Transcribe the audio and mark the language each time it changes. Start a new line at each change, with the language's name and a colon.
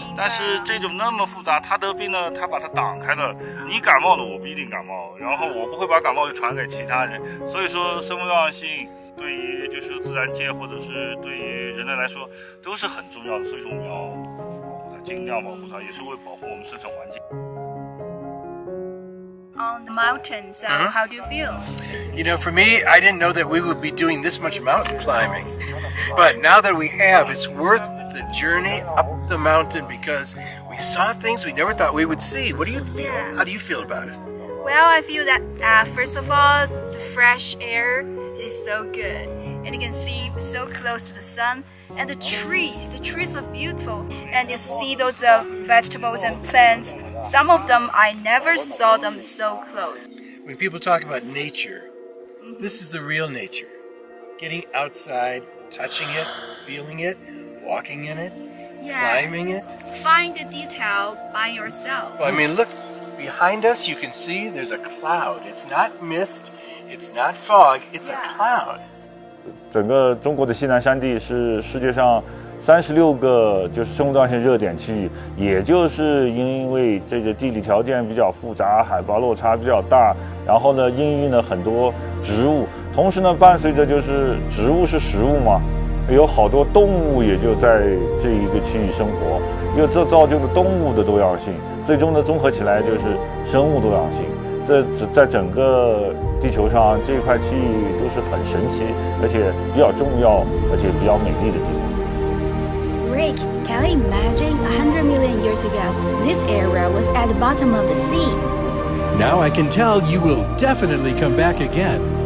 Chinese: 但是这种那么复杂，它得病呢，它把它挡开了。你感冒了，我不一定感冒，然后我不会把感冒就传给其他人。所以说，生物多样性对于就是自然界或者是对于人类来说都是很重要的。所以说，我们要保护它，尽量保护它，也是为保护我们生存环境。
English: On the mountains, how do you feel? You know, for me, I didn't know that we would be doing this much mountain climbing. But now that we have, it's worth the journey up the mountain because we saw things we never thought we would see. What do you feel? Yeah. How do you feel about it? Well, I feel that, first of all, the fresh air is so good. And you can see so close to the sun. And the trees are beautiful. And you see those vegetables and plants. Some of them, I never saw them so close. When people talk about nature, this is the real nature. Getting outside, touching it, feeling it, walking in it, climbing it. Find the detail by yourself. Well, I mean, look, behind us you can see there's a cloud. It's not mist, it's not fog, it's a cloud.
Chinese: 整个中国的西南山地是世界上36个就是生物多样性热点区域，也就是因为这个地理条件比较复杂，海拔落差比较大，然后呢孕育了很多植物，同时呢伴随着就是植物是食物嘛，有好多动物也就在这一个区域生活，又这造就了动物的多样性，最终呢综合起来就是生物多样性。这在整个地球上这一块区域都是很神奇而且比较重要而且比较美丽的地方。
English: Rick, can you imagine 100 million years ago, this area was at the bottom of the sea? Now I can tell you will definitely come back again.